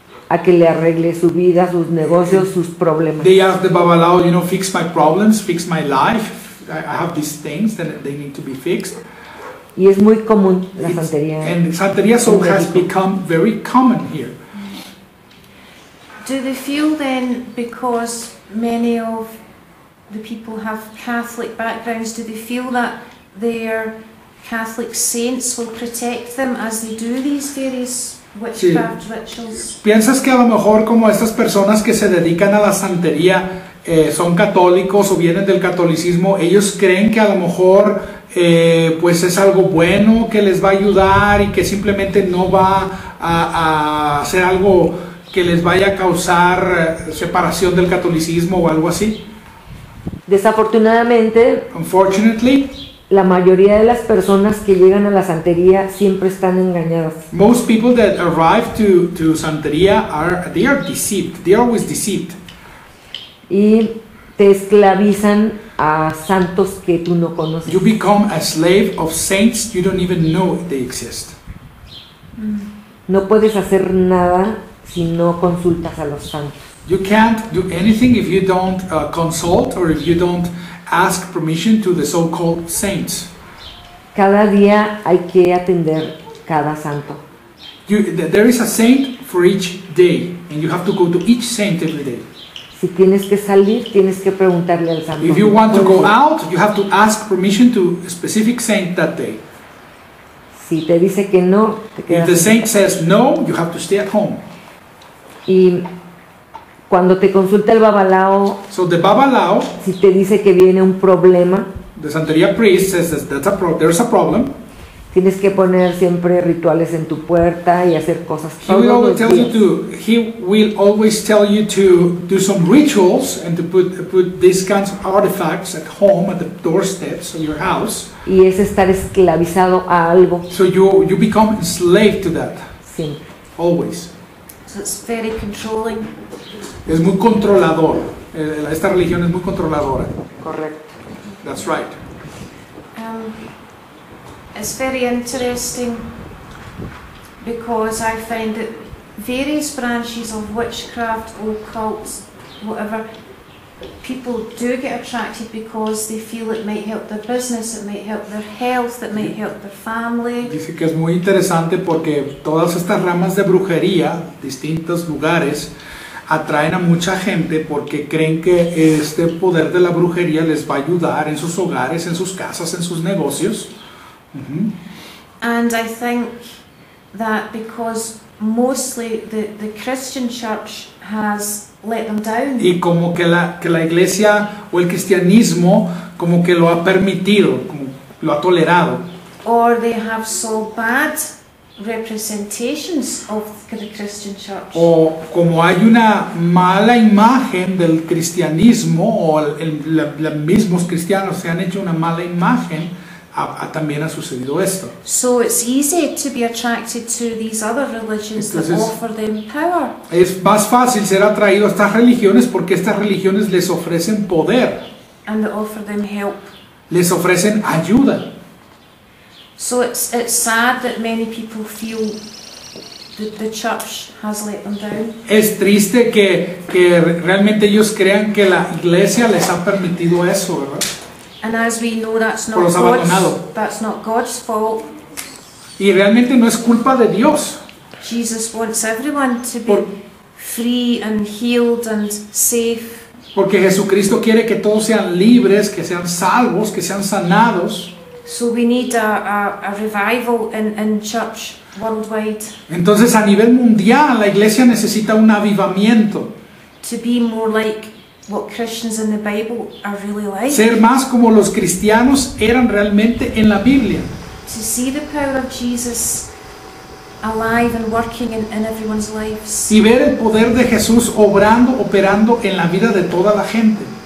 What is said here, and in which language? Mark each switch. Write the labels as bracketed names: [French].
[Spanish] A que le arregle su vida, sus negocios, sus problemas. [English] They ask the babalao, you know, fix my problems, fix my life. I have these things that they need to be fixed. [Spanish] Y es muy común la santería. [English] And santería so has become very common here. Do they feel then, because many of the people have Catholic backgrounds, do they feel that their Catholic saints will protect them as they do these various witchcraft rituals? [Spanish] ¿Piensas que a lo mejor como estas personas que se dedican a la santería son católicos o vienen del catolicismo, ellos creen que a lo mejor pues es algo bueno que les va a ayudar y que simplemente no va a hacer algo que les vaya a causar separación del catolicismo o algo así? Desafortunadamente, [English] unfortunately, [Spanish] la mayoría de las personas que llegan a la santería siempre están engañadas. [English] Most people that arrive to santería they are deceived. They are always deceived. [Spanish] Y te esclavizan a santos que tú no conoces. [English] You become a slave of saints you don't even know they exist. [Spanish] No puedes hacer nada si no consultas a los santos. [English] You can't do anything if you don't consult or if you don't ask permission to the so-called saints. [Spanish] Cada día hay que atender cada santo. [English] There is a saint for each day and you have to go to each saint every day. [Spanish] Si tienes que salir, tienes que preguntarle al santo. [English] If you want to go out, you have to ask permission to a specific saint that day. [Spanish] Si te dice que no, te quedas. [English] If the saint says no, you have to stay at home. [Spanish] Y cuando te consulta el babalao, [English] so the babalao, [Spanish] si te dice que viene un problema, [English] the santería priest says that's a there's a problem. [Spanish] Tienes que poner siempre rituales en tu puerta y hacer cosas todos los días. [English] He will always tell you to do some rituals and to put these kinds of artifacts at home at the doorsteps of your house. [Spanish] Y es estar esclavizado a algo. [English] So you become a slave to that. [Spanish] Sí. [English] Always. So it's very controlling. [Spanish] Es muy controlador. Esta religión es muy controladora. Correcto. [English] That's right. It's very interesting because I find that various branches of witchcraft, occults, whatever, people do get attracted because they feel it might help their business, it might help their health, it might help their family. [Spanish] Dice que es muy interesante porque todas estas ramas de brujería, distintos lugares, atraen a mucha gente porque creen que este poder de la brujería les va a ayudar en sus hogares, en sus casas, en sus negocios. Mm-hmm. [English] And I think that because mostly the Christian church has let them down. [Spanish] Y como que la iglesia o el cristianismo como que lo ha permitido, como lo ha tolerado. [English] Or they have so bad representations of the Christian church. [Spanish] O como hay una mala imagen del cristianismo o los mismos cristianos se han hecho una mala imagen. También ha sucedido esto. [English] So it's easy to be attracted to these other religions. [Spanish] Entonces, [English] that offer them power. [Spanish] Es más fácil ser atraído a estas religiones porque estas religiones les ofrecen poder. [English] And they offer them help. [Spanish] Les ofrecen ayuda. [English] So it's sad that many people feel the church has let them down. [Spanish] Es triste que realmente ellos crean que la iglesia les ha permitido eso, ¿verdad? [English] And as we know, that's not God's fault. [Spanish] Y realmente no es culpa de Dios. [English] Jesus wants everyone to be free and healed and safe. [Spanish] Porque Jesucristo quiere que todos sean libres, que sean salvos, que sean sanados. [English] So we need a revival in church worldwide. [Spanish] Entonces a nivel mundial la iglesia necesita un avivamiento. [English] To be more like what Christians in the Bible are really like. [Spanish] Ser más como los cristianos eran realmente en la Biblia. [English] To see the power of Jesus alive and working in everyone's lives. [Spanish] Y ver el poder de Jesús obrando, operando en la vida de toda la gente.